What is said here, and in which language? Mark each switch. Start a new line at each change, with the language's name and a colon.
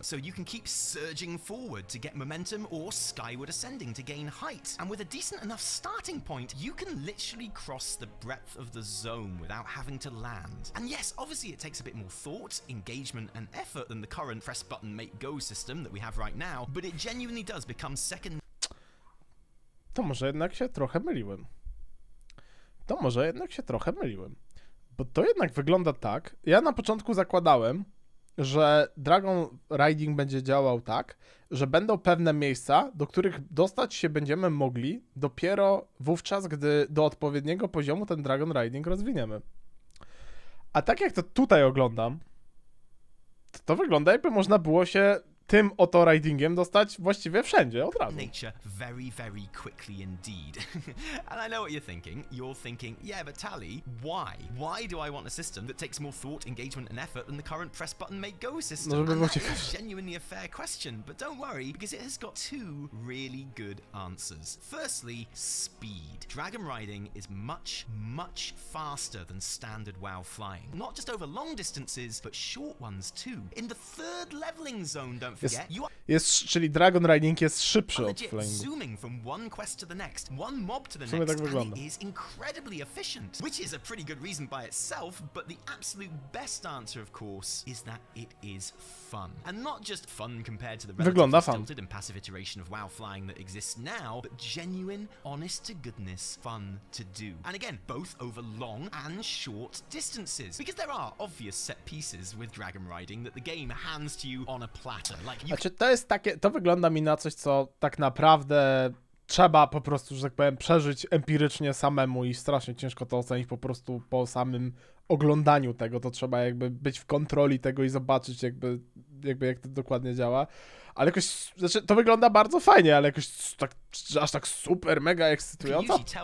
English: So you can keep surging forward to get momentum or skyward ascending to gain height. And with a decent enough starting point, you can literally cross the breadth of the zone without having to land. And yes, obviously it takes a bit more thought, engagement and effort than the current press button make go system that we have right now, but it genuinely does become second.
Polish: To może jednak się trochę myliłem. To może jednak się trochę myliłem. Bo to jednak wygląda tak. Ja na początku zakładałem, że Dragon Riding będzie działał tak, że będą pewne miejsca, do których dostać się będziemy mogli dopiero wówczas, gdy do odpowiedniego poziomu ten Dragon Riding rozwiniemy. A tak jak to tutaj oglądam, to to wygląda, jakby można było się tym oto ridingiem dostać właściwie wszędzie od razu.
English: Nature very, very quickly indeed. And I know what you're thinking. You're thinking, yeah, but Tally, why? Why do I want a system that takes more thought, engagement and effort than the current press button make go system?
Polish: No, żeby było ciekawe.
English: That is genuinely a fair question, but don't worry, because it has got two really good answers. Firstly, speed. Dragon riding is much, much faster than standard WoW flying. Not just over long distances, but short ones too. In the third leveling zone,
Polish: Jest, czyli Dragon Riding jest szybszy od flyingu.
English: Zooming from one quest to the next, one mob to the next,
Polish: tak wygląda.
English: And it is incredibly efficient, which is a pretty good reason by itself, but the absolute best answer, of course, is that it is fun. And not just fun compared to the relatively stilted and passive iteration of WoW flying that exists now, but genuine, honest to goodness fun to do. And again, both over long and short distances. Because there are obvious set pieces with Dragon Riding that the game hands to you on a platter.
Polish: Znaczy, to jest takie, to wygląda mi na coś, co tak naprawdę trzeba po prostu, że tak powiem, przeżyć empirycznie samemu i strasznie ciężko to ocenić po prostu po samym oglądaniu tego, to trzeba jakby być w kontroli tego i zobaczyć jakby jak to dokładnie działa, ale jakoś, znaczy, to wygląda bardzo fajnie, ale jakoś tak, aż tak super, mega ekscytująco.